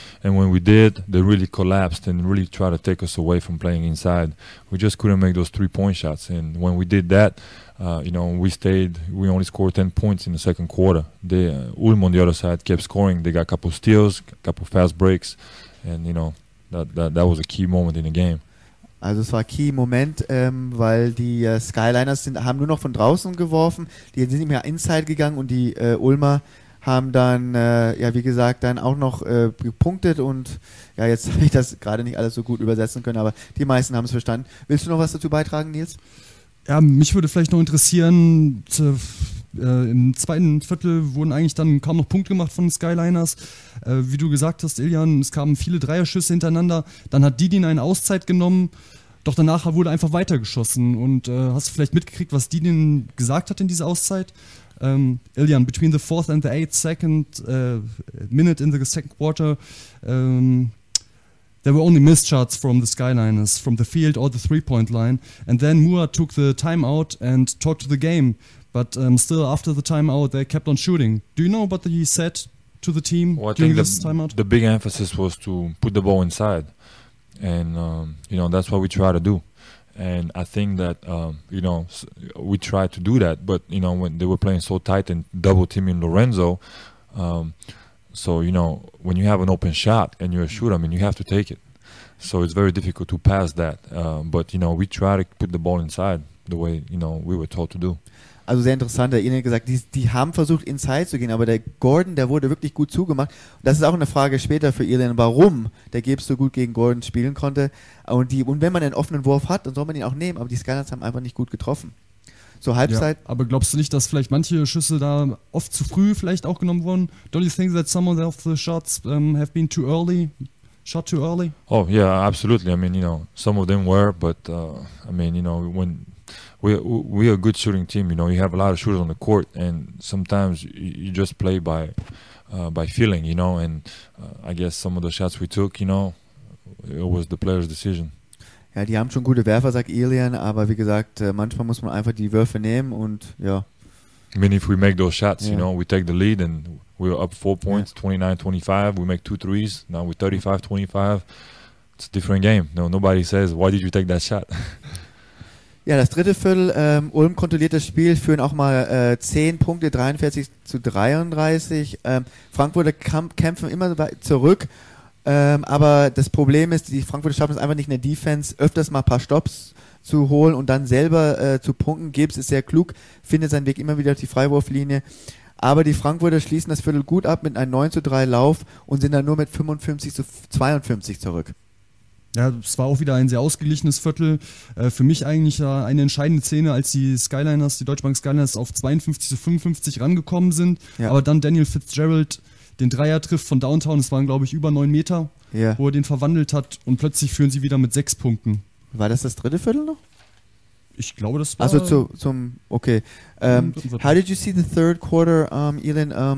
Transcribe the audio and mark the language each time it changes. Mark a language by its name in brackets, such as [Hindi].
[English] And when we did, they really collapsed and really tried to take us away from playing inside. We just couldn't make those three-point shots. And when we did that, we only scored 10 points in the second quarter. Ulm on the other side kept scoring. They got a couple steals, a couple fast breaks, and that was a key moment in the game. [German] Also es war ein key Moment, weil die Skyliners haben nur noch von draußen geworfen, die sind nicht mehr inside gegangen, und die Ulmer haben dann, dann auch noch gepunktet, und ja, jetzt habe ich das gerade nicht alles so gut übersetzen können, aber die meisten haben es verstanden. Willst du noch was dazu beitragen, Nils? Ja, mich würde vielleicht noch interessieren, im zweiten Viertel wurden eigentlich dann kaum noch Punkte gemacht von den Skyliners. Wie du gesagt hast, Ilian, es kamen viele Dreierschüsse hintereinander. Dann hat Didin eine Auszeit genommen, doch danach wurde einfach weitergeschossen. Und hast du vielleicht mitgekriegt, was Didin gesagt hat in dieser Auszeit? [English] Ilian, between the fourth and the eighth second minute in the second quarter, there were only missed shots from the Skyliners, from the field or the three-point line. And then Moore took the timeout and talked to the game. But still, after the timeout, they kept on shooting. Do you know what he said to the team during this timeout? The big emphasis was to put the ball inside. And, that's what we try to do. And I think that, we tried to do that. But, when they were playing so tight and double-teaming Lorenzo, when you have an open shot and you're a shooter, you have to take it. So it's very difficult to pass that. But we try to put the ball inside the way, we were told to do. [German] Also sehr interessant, der Ian hat gesagt, die haben versucht, inside zu gehen, aber der Gordon, der wurde wirklich gut zugemacht. Das ist auch eine Frage später für Ian, warum der Gibbs so gut gegen Gordon spielen konnte. Und wenn man einen offenen Wurf hat, dann soll man ihn auch nehmen, aber die Skyliners haben einfach nicht gut getroffen. So Halbzeit. Ja, aber glaubst du nicht, dass vielleicht manche Schüsse da oft zu früh vielleicht auch genommen wurden? [English] Don't you think that some of the shots have been too early? Shot too early? Oh yeah, absolutely. Some of them were, but when we are a good shooting team, you have a lot of shooters on the court, and sometimes you just play by feeling, I guess some of the shots we took, it was the player's decision. [German] Ja, die haben schon gute Werfer, sagt Ilian, aber wie gesagt, manchmal muss man einfach die Würfe nehmen und ja. [English] I mean, if we make those shots, we take the lead and we're up 4 points, 29-25, we make 2 threes, now we're 35-25, it's a different game. No, nobody says, why did you take that shot? [German] Ja, das dritte Viertel, Ulm kontrolliert das Spiel, führen auch mal 10 Punkte, 43-33. Frankfurter kämpfen immer zurück, aber das Problem ist, die Frankfurter schaffen es einfach nicht in der Defense, öfters mal ein paar Stops zu holen und dann selber zu punkten. Gibbs ist sehr klug, findet seinen Weg immer wieder auf die Freiwurflinie. Aber die Frankfurter schließen das Viertel gut ab mit einem 9-3 Lauf und sind dann nur mit 55-52 zurück. Ja, es war auch wieder ein sehr ausgeglichenes Viertel. Für mich eigentlich eine entscheidende Szene, als die Deutsche Bank Skyliners auf 52-55 rangekommen sind. Ja. Aber dann Daniel Fitzgerald den Dreier trifft von Downtown, es waren glaube ich über 9 Meter, ja, wo er den verwandelt hat, und plötzlich führen sie wieder mit 6 Punkten. War das dritte Viertel noch? Ich glaube, das war... Also zum okay. [English] How did you see the third quarter, Elin?